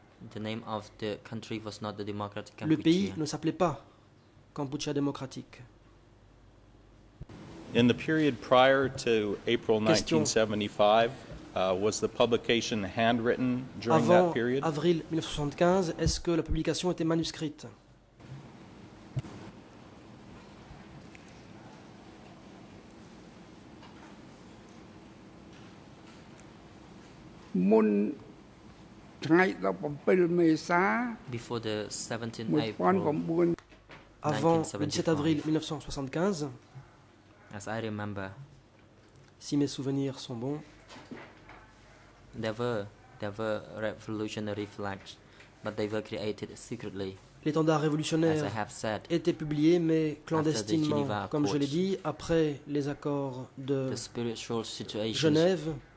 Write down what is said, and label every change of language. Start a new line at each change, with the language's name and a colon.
English: the name of the country was not the Democratic
French: Cambodia. Le pays ne s'appelait pas Cambodia démocratique.
English: In the period prior to April 1975, was the publication handwritten during
French: avant
English: that period?
French: Avant avril 1975, est-ce que la publication était manuscrite?
Khmer: Mun thai 17 mesa
English: before the 17th April
French: avant le 17 avril 1975
English: as I remember
French: si mes souvenirs sont bons
English: there were revolutionary flags but they were created secretly.
French: L'étendard révolutionnaire était publié, mais clandestinement, comme je l'ai dit, après les accords de Genève.